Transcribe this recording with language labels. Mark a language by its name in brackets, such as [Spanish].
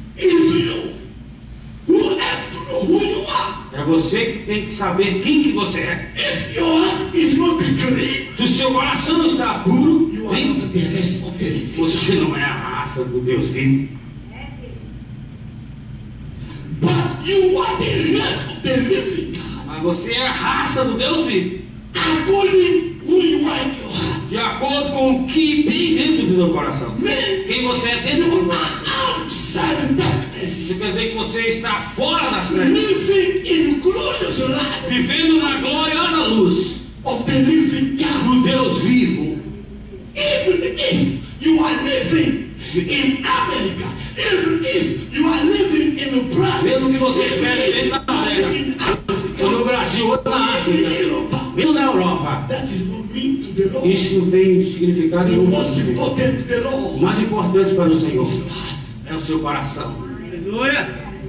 [English] is you who have to know who you are. [Portuguese] É você que tem que saber quem que você é. [English] If your heart is not clean, [Portuguese] se o seu coração não está puro, vem. Você não é a raça do Deus vivo. [English] But you are the race of the living God. [Portuguese] Mas você é a raça do Deus vivo. [English] According who you are in your heart. [Portuguese] De acordo com o que tem dentro do seu coração. [English] Means [Portuguese] quem você é dentro [English] you [Portuguese] do seu coração. [English] Outside the darkness. [Portuguese] Isso quer dizer que você está fora das trevas. [English] Living in glorious light. [Portuguese] Vivendo na gloriosa luz. [English] Of the living God. [Portuguese] Do Deus vivo. [English] Even if you are living in America, even if you are living in Brazil, [Portuguese] mesmo que você esteja na América, ou no Brasil, ou na África, mesmo na Europa, [English] that is not mean to the Lord. [Portuguese] Isso não tem significado nenhum. [English] The most important to the Lord. [Portuguese] O mais importante para o Senhor é o seu coração. Aleluia!